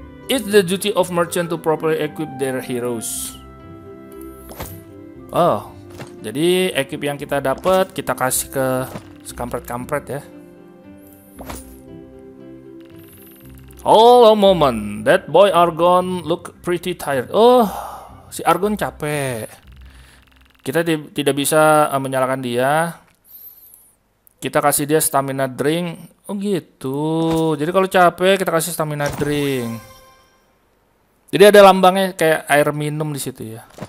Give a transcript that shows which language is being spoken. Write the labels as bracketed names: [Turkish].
[English] It's the duty of merchant to properly equip their heroes. [Indonesian] Oh, jadi equip yang kita dapat kita kasih ke skampret-kampret ya. [English] Hold a moment, that boy Argon look pretty tired. [Indonesian] Oh, si Argon capek. Kita tidak bisa menyalakan dia. Kita kasih dia stamina drink. Oh gitu. Jadi kalau capek kita kasih stamina drink. Jadi ada lambangnya kayak air minum di situ ya.